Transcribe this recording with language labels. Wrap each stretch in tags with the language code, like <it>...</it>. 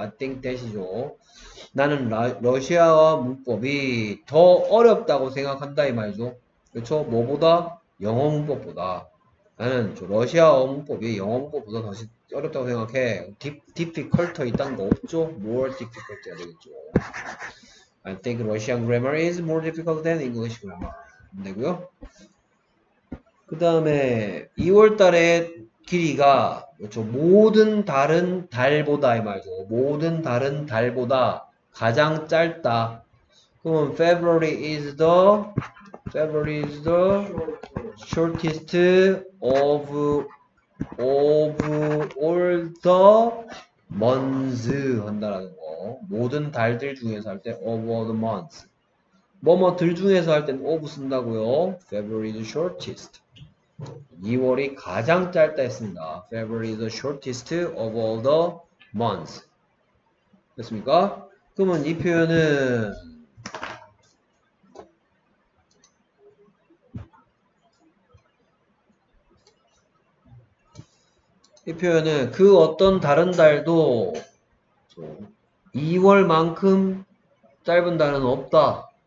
<en>I think that이죠.</en> <ko>나는 러시아어 문법이 더 어렵다고 생각한다, 이 말이죠. 그쵸? 뭐보다? 영어 문법보다. 나는 저 러시아어 문법이 영어 문법보다 더 어렵다고 생각해. difficult 이딴 거 없죠?</ko> <en>more difficult</en> <ko>해야 되겠죠.</ko> <en>I think Russian grammar is more difficult than English grammar.</en> <ko>되고요. 그 다음에 2월 달의 길이가 그렇죠. 모든 다른 달보다 이 말이죠. 모든 다른 달보다 가장 짧다. 그러면</ko> <en>February is the shortest of all the months</en> <ko>한다라는 거. 모든 달들 중에서 할 때</ko> <en>of all the months.</en> <ko>뭐뭐 들 중에서 할 때는 of 쓴다고요.</ko> <en>February is the shortest.</en> <ko>2월이 가장 짧다 했습니다.</ko> <en>February is the shortest of all the months.</en> <ko>됐습니까? 그러면 이 표현은 이 표현은 그 어떤 다른 달도 2월만큼 짧은 달은 없다.</ko>